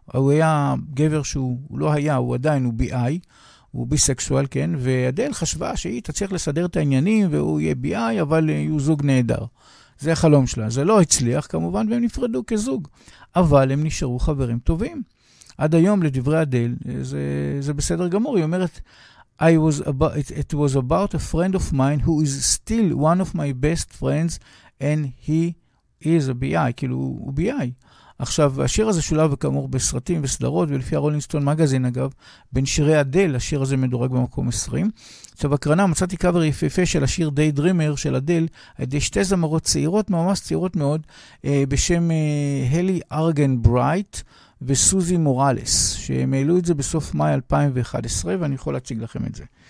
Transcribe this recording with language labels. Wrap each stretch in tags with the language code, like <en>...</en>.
<he>הוא היה גבר שהוא לא היה, הוא עדיין, הוא בי-איי, הוא ביסקסואל, כן, ואדל חשבה שהיא תצליח לסדר את העניינים והוא יהיה בי-איי, אבל הוא זוג נהדר. זה החלום שלה. זה לא הצליח, כמובן, והם נפרדו כזוג. אבל הם נשארו חברים טובים. עד היום, לדברי אדל, זה בסדר גמור. היא אומרת,</he> <en>it was about a friend of mine who is still one of my best friends and he is a B.I.</en> <he>כאילו, הוא B.I. עכשיו, השיר הזה שולב כאמור בסרטים וסדרות, ולפי הרולינג סטון מגזין, אגב, בין שירי אדל, השיר הזה מדורג במקום 20. עכשיו, בקרנה מצאתי קאבר יפהפה של השיר Daydreamer של אדל, הידי שתי זמרות צעירות, ממש צעירות מאוד, בשם הלי ארגן ברייט וסוזי מורלס, שהם העלו את זה בסוף מאי 2011, ואני יכול להציג לכם את זה.</he>